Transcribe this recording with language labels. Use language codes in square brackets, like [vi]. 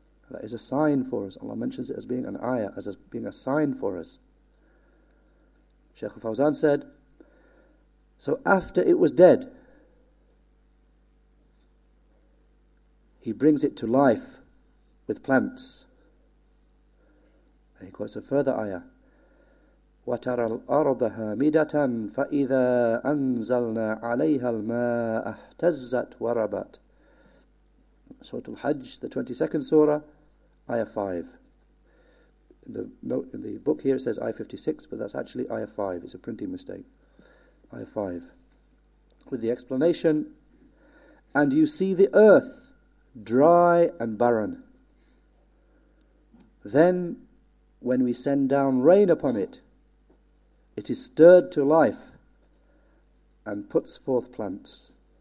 [en] That is a sign for us. Allah mentions it as being an ayah, as being a sign for us. Sheikh Al-Fawzan said, so after it was dead, he brings it to life with plants. And he quotes a further ayah. [ar] وَتَرَى الْأَرْضَ هَامِدَةً فَإِذَا أَنزَلْنَا عَلَيْهَا الْمَاءَ اهْتَزَّتْ وَرَبَتْ [en] Surah Al-Hajj, the 22nd surah, Ayah 5. In the book here it says Ayah 56, but that's actually Ayah 5. It's a printing mistake. Ayah 5. With the explanation, and you see the earth dry and barren. Then, when we send down rain upon it, it is stirred to life and puts forth plants.